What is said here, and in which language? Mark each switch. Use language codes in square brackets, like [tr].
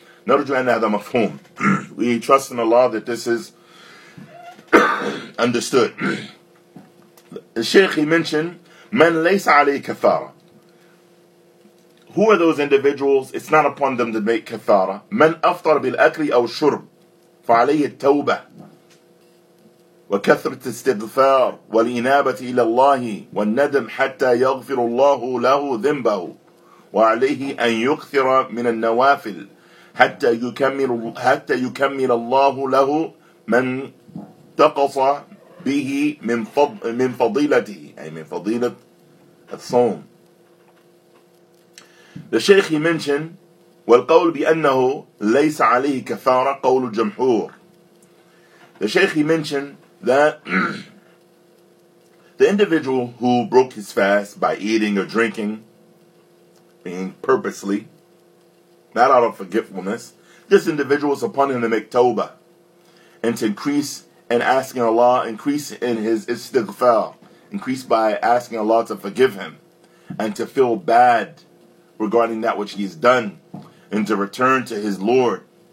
[en] Now to join that, mafhum. We trust in Allah that this is understood. The Sheikh, he mentioned, [ar] من ليس عليه كفارة. [en] Who are those individuals? It's not upon them to make كفارة. [ar] من أفطر بالأكل أو الشرب فعليه التوبة وكثرة الاستغفار والإنابة إلى الله والندم حتى يغفر الله له ذنبه وعليه أن يكثر من النوافل حتى يكمل الله له من تقص به من فضيلته أي من فضيلة الصوم. [en] The Sheikh, he mentioned, [ar] والقول بأنه ليس عليه كفارة قول الجمهور. [en] The Sheikh, he mentioned that the individual who broke his fast by eating or drinking, being purposely, not out of forgetfulness, this individual is upon him to make tawbah and to increase and asking Allah, increase in his istighfar, increase by asking Allah to forgive him, and to feel bad regarding that which he has done, and to return to his Lord,